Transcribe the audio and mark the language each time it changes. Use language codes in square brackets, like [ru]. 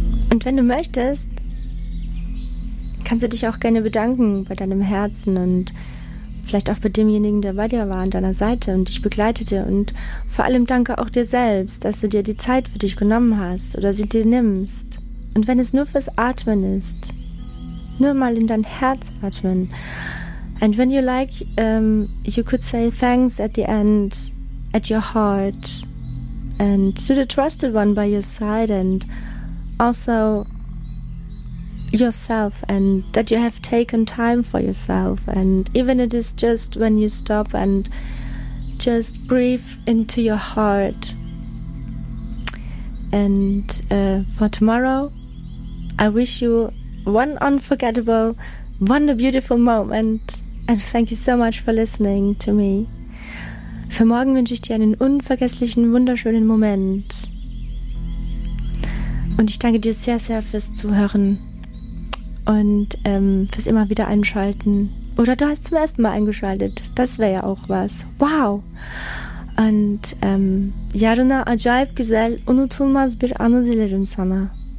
[de] Und wenn du möchtest, kannst du dich auch gerne bedanken bei deinem Herzen und vielleicht auch bei demjenigen, der bei dir war, an deiner Seite und dich begleitete. Und vor allem danke auch dir selbst, dass du dir die Zeit für dich genommen hast oder sie dir nimmst. Und wenn es nur fürs Atmen ist, nur mal in dein Herz atmen. [en] And when you like, you could say thanks at the end, at your heart, and to the trusted one by your side, and also yourself, and that you have taken time for yourself, and even it is just when you stop and just breathe into your heart. And for tomorrow, I wish you one unforgettable, one beautiful moment, and thank you so much for listening to me. [de] Für morgen wünsche ich dir einen unvergesslichen, wunderschönen Moment. Und ich danke dir sehr, sehr fürs Zuhören und fürs immer wieder einschalten. Oder du hast zum ersten Mal eingeschaltet. Das wäre ja auch was. Wow! [tr] Und yarına acayip güzel, unutulmaz bir anı dilerim sana.